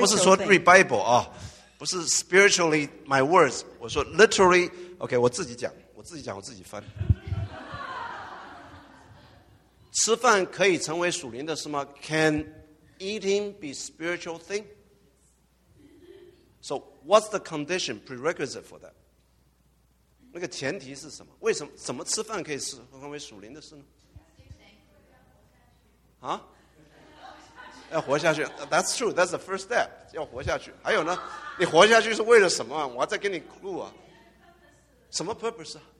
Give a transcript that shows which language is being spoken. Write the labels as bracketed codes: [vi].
[zh] 不是说 [en] read Bible, [zh] 不是 [en] spiritually my words, [zh] 我说 literally, okay, 我自己讲我自己翻。吃饭可以成为属灵的事吗? [en] Can eating be spiritual thing? So what's the condition prerequisite for that? [zh] 那个前提是什么? 为什么, 怎么吃饭可以成为属灵的事呢? 啊? 要活下去, [en] that's true, that's the first step, [zh] 要活下去, 还有呢, 你活下去是为了什么? 我要再给你clue啊, 什么purpose?